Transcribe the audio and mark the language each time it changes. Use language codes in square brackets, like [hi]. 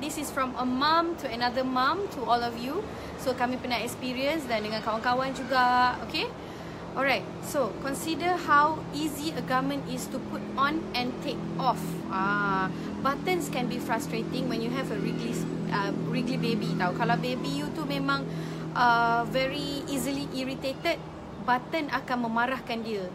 [en] This is from a mom to another mom to all of you. [ms] So kami pernah experience dan dengan kawan-kawan juga. Okay, alright. [en] So consider how easy a garment is to put on and take off. Buttons can be frustrating when you have a wriggly baby tau. [ms] Kalau baby you tu memang [en] very easily irritated, [ms] button akan memarahkan dia.